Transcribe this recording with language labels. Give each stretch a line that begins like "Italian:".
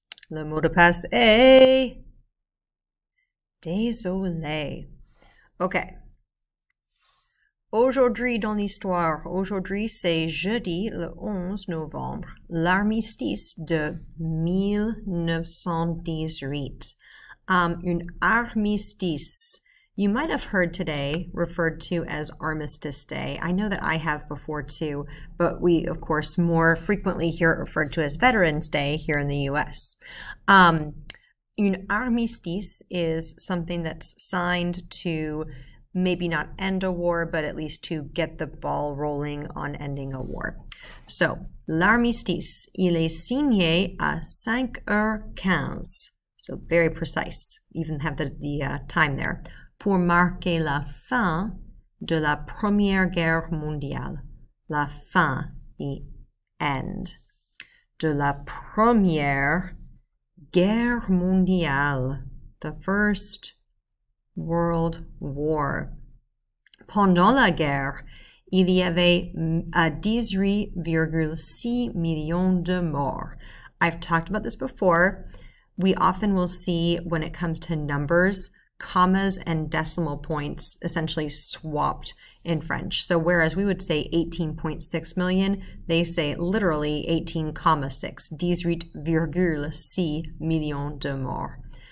French: Le mot de passe est... Désolé. OK. Aujourd'hui dans l'histoire, aujourd'hui, c'est jeudi le 11 novembre, l'armistice de 1918. Une armistice.
English: You might have heard today referred to as Armistice Day. I know that I have before too, but we, of course, more frequently hear it referred to as Veterans Day here in the US. An armistice is something that's signed to maybe not end a war, but at least to get the ball rolling on ending a war.
French: So, l'armistice, il est signé à 5h15.
English: So, very precise, even have the time there.
French: Pour marquer la fin de la Première Guerre mondiale. La fin,
English: the end.
French: De la Première Guerre mondiale,
English: the First World War.
French: Pendant la guerre, il y avait 18,6 millions de morts.
English: I've talked about this before. We often will see when it comes to numbers, commas and decimal points essentially swapped in French. So whereas we would say 18.6 million, they say literally 18 comma 6,
French: 18,6 millions de morts.